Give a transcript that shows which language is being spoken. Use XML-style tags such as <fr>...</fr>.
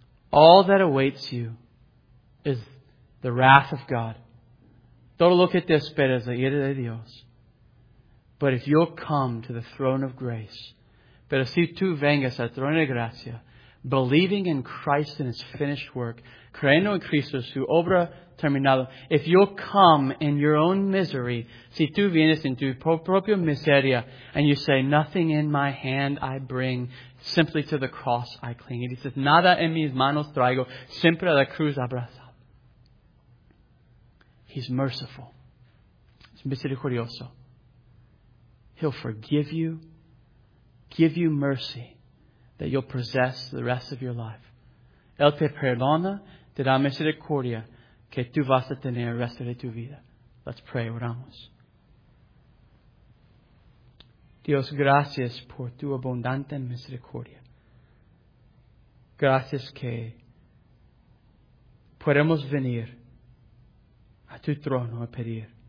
<en>All that awaits you is the wrath of God.</en> <es>Todo lo que te espera es la ira de Dios.</es> <en>But if you'll come to the throne of grace,</en> <es>pero si tú vengas al trono de gracia,</es> <en>believing in Christ and His finished work,</en> <es>creyendo en Cristo, su obra terminada,</es> <en>if you'll come in your own misery,</en> <es>si tú vienes en tu propia miseria,</es> <en>and you say, nothing in my hand I bring, simply to the cross I cling. And he says,</en> <es>nada en mis manos traigo, siempre a la cruz abrazo.</es> <en>He's merciful.</en> <es>Es misericordioso.</es> <en>He'll forgive you. Give you mercy that you'll possess the rest of your life.</en> <es>Él te perdona, te da misericordia que tú vas a tener el resto de tu vida.</es> <en>Let's pray,</en> <es>oramos. Dios, gracias por tu abundante misericordia. Gracias que podemos venir a tu trono a pedir.</es>